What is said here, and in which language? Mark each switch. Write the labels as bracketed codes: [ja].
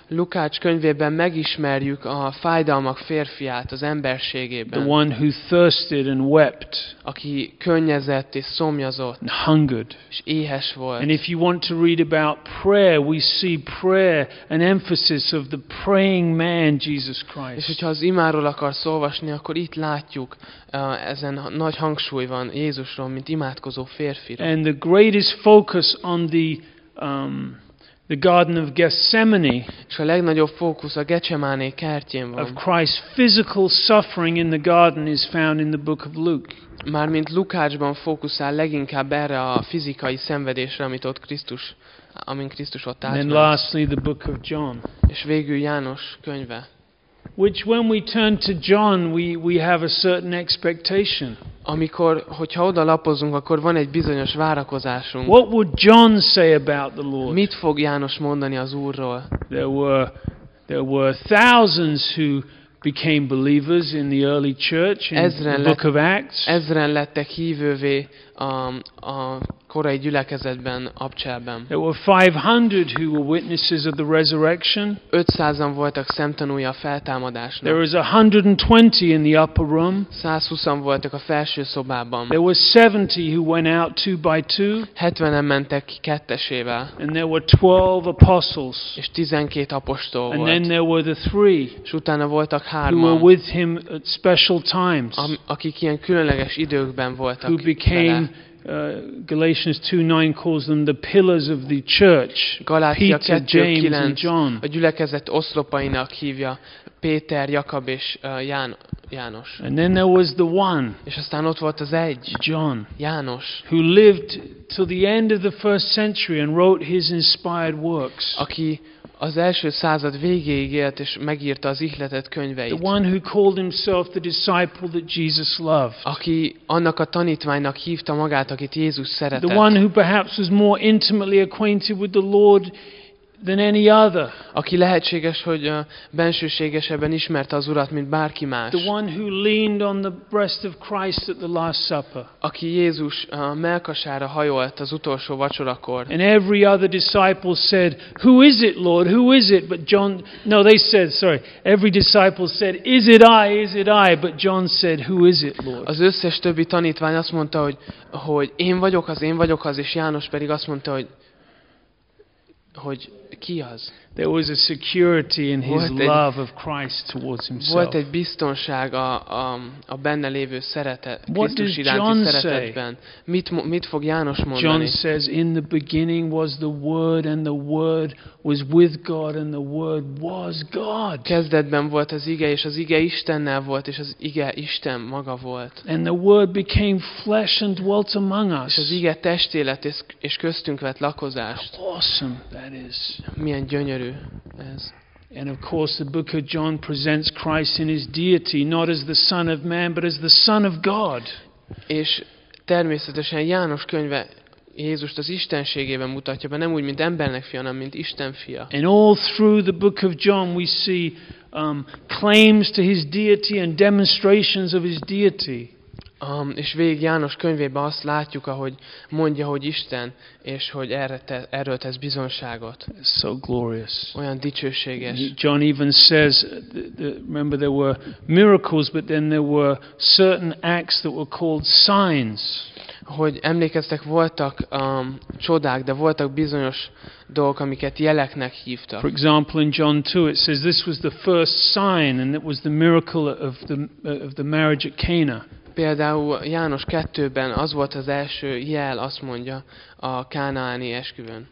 [hu] Lukács könyvében megismerjük a fájdalmak férfiát az emberségében. [en] The one who thirsted and wept. [hu] Aki könnyezett és szomjazott. [en] And hungered. [hu] És éhes volt. [en] And if you want to read about prayer, we see prayer, an emphasis of the praying man Jesus Christ. [hu] És hogyha az imáról akarsz olvasni, akkor itt látjuk ezen nagy hangsúly van Jézusról, mint imádkozó férfiról. [en] And the greatest focus on the Garden of Gethsemane. [hu] És a legnagyobb fókusz a Getsemáné kertjén van. [en] Of Christ's physical suffering in the garden is found in the book of Luke. [hu] Mármint Lukácsban fókuszál leginkább erre a fizikai szenvedésre, amit ott Krisztus, amin Krisztus ott átment. [en] And lastly the book of John. [hu] És végül János könyve. [en] Which when we turn to John we have a certain expectation. [hu] Amikor, hogyha oda lapozunk, akkor van egy bizonyos várakozásunk. [en] What would John say about the Lord? [hu] Mit fog János mondani az Úrról? [en] There were thousands who became believers in the early church in [hu] ezren [en] the book of Acts. [hu] Ezren lettek hívővé a korai gyülekezetben, abcselben. [en] There were 500 who were witnesses of the resurrection. [hu] 500-an voltak szemtanúja a feltámadásnak. [en] There was 120 in the upper room. [hu] 120-an voltak a felső szobában. [en] There were 70 who went out two by two. [hu] 70-en mentek ki kettesével. [en] And there were 12 apostles. [hu] És 12 apostol volt. [en] And then there were the three. [hu] És utána voltak hárman. [en] Who were with him at special times. [hu] Akik ilyen különleges időkben voltak. [en] Who became Galatians 2:9 calls them the pillars of the church. [hu] Galatia [en] Peter, 2, James 9, and John. [hu] A gyülekezet oszlopainak hívja Péter, Jakab és János. [en] And then there was the one. [hu] És aztán ott volt az egy. [en] John. [hu] János. [en] Who lived till the end of the first century and wrote his inspired works. [hu] Aki az első század végéig élt és megírta az ihletett könyveit. [en] The one who called himself the disciple that Jesus loved. [hu] Aki annak a tanítványnak hívta magát, akit Jézus szeretett. [en] The one who perhaps was more intimately acquainted with the Lord than any other. [hu] Aki lehetséges, hogy bensőségesebben ismerte az Urat, mint bárki más. [en] The one who leaned on the breast of Christ at the Last Supper. [hu] Aki Jézus mellkasára hajolt az utolsó vacsorakor. [en] And every other disciple said, "Who is it, Lord? Who is it?" But John, no, they said, sorry. Every disciple said, "Is it I? Is it I?" But John said, "Who is it, Lord?" [hu] Az összes többi tanítvány azt mondta, hogy én vagyok az, és János pedig azt mondta, hogy hogy ki az. [en] There was a security in his love of Christ towards himself. [hu] Volt egy biztonság a benne lévő szeretet, Krisztus iránti szeretetben. Mit fog János mondani? [en] John says, in the beginning was the Word, and the Word was with God, and the Word was God. [hu] Kezdetben volt az ige, és az ige Istennel volt, és az ige Isten maga volt. [en] And the Word became flesh and dwelt among us. [hu] És az ige testé lett, és köztünk vett lakozást. [en] Awesome that is. [hu] Milyen gyönyörű. [en] Yes. And of course the book of John presents Christ in his deity, not as the Son of Man, but as the Son of God. [hu] És természetesen János könyve Jézust az istenségében mutatja be, nem úgy, mint embernek fia, hanem mint Isten fia. [en] And all through the book of John we see claims to his deity and demonstrations of his deity. [hu] És végig János könyvében azt látjuk, ahogy mondja, hogy Isten, és hogy erről tesz bizonságot. [en] So glorious. [hu] Olyan dicsőséges. [en] John even says, remember there were miracles, but then there were certain acts that were called signs. [hu] Hogy emlékeztek, voltak csodák, de voltak bizonyos dolgok, amiket jeleknek hívtak. [en] For example, in John 2 it says this was the first sign, and it was the miracle of the marriage at Cana. [hu] Például János 2-ben az volt az első jel, azt mondja, a kánaáni esküvőn.